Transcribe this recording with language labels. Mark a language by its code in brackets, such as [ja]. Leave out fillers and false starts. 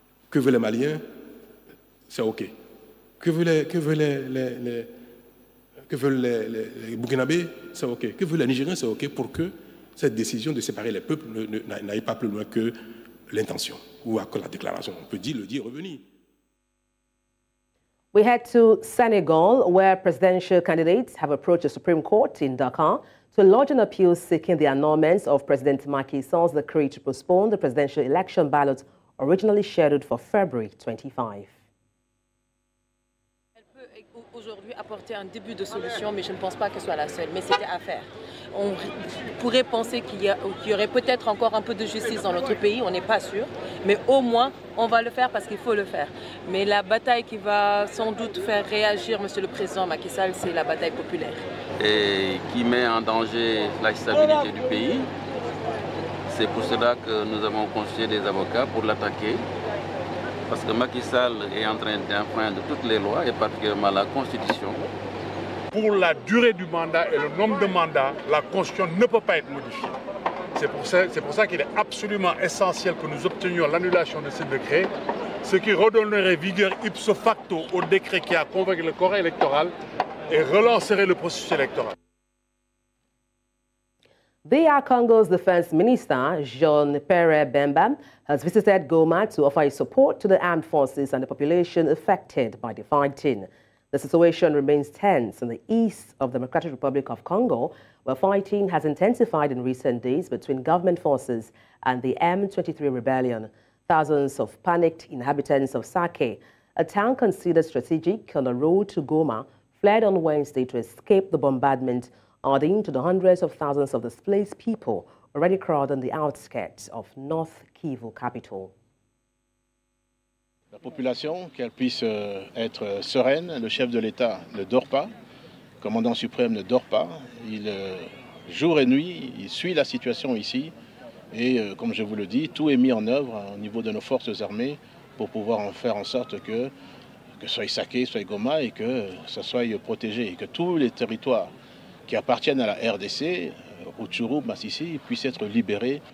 [fr] Que veulent les Maliens, c'est OK. Que veulent les Burkinabés, c'est OK. Que veulent les Nigériens, c'est OK, pour que cette décision de séparer les peuples n'aille pas plus loin que l'intention ou à la déclaration. On peut dire, le dire, revenir. [en] We head to Senegal, where presidential candidates have approached the Supreme Court in Dakar to lodge an appeal seeking the annulment of President Macky Sall's decree to postpone the presidential election ballot originally scheduled for February 25. [fr] Aujourd'hui apporter un début de solution, mais je ne pense pas que ce soit la seule, mais c'était à faire. On pourrait penser qu'il y aurait peut-être encore un peu de justice dans notre pays, on n'est pas sûr, mais au moins on va le faire parce qu'il faut le faire. Mais la bataille qui va sans doute faire réagir Monsieur le Président Macky Sall, c'est la bataille populaire. Et qui met en danger la stabilité du pays. C'est pour cela que nous avons conseillé des avocats pour l'attaquer. Parce que Macky Sall est en train d'enfreindre toutes les lois et particulièrement la Constitution. Pour la durée du mandat et le nombre de mandats, la Constitution ne peut pas être modifiée. C'est pour ça qu'il est absolument essentiel que nous obtenions l'annulation de ce décret, ce qui redonnerait vigueur ipso facto au décret qui a convoqué le corps électoral et relancerait le processus électoral. [en] DR Congo's defense minister, Jean-Pierre Bemba, has visited Goma to offer his support to the armed forces and the population affected by the fighting. The situation remains tense in the east of the Democratic Republic of Congo, where fighting has intensified in recent days between government forces and the M23 rebellion. Thousands of panicked inhabitants of Sake, a town considered strategic on the road to Goma, fled on Wednesday to escape the bombardment, adding to the hundreds of thousands of displaced people already crowded on the outskirts of North Kivu capital. [fr] La population, qu'elle puisse être sereine, le chef de l'État ne dort pas, le commandant suprême ne dort pas, il, jour et nuit, il suit la situation ici, et comme je vous le dis, tout est mis en œuvre au niveau de nos forces armées pour pouvoir en faire en sorte que soit Sake, soit Goma, et que ça soit protégé, et que tous les territoires qui appartiennent à la RDC, Rutshuru, Masisi, puissent être libérés.